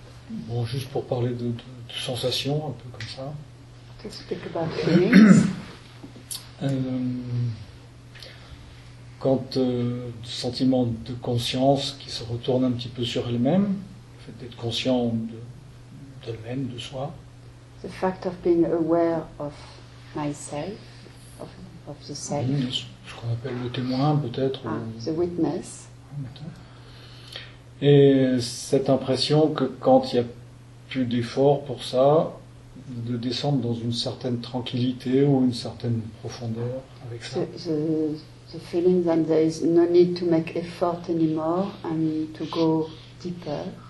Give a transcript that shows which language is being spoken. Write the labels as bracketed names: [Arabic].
[French] Bon, juste pour parler de sensations, un peu comme ça. [English] To speak about feelings. [French] Quand le sentiment de conscience qui se retourne un petit peu sur elle-même, le fait d'être conscient d'elle-même, de soi. [English] The fact of being aware of myself, of the self. [French] Oui, ce qu'on appelle le témoin, peut-être. [English] The witness. [French] Et cette impression que quand il n'y a plus d'effort pour ça, de descendre dans une certaine tranquillité ou une certaine profondeur avec ça. [English] The feeling that there is no need to make effort anymore and to go deeper.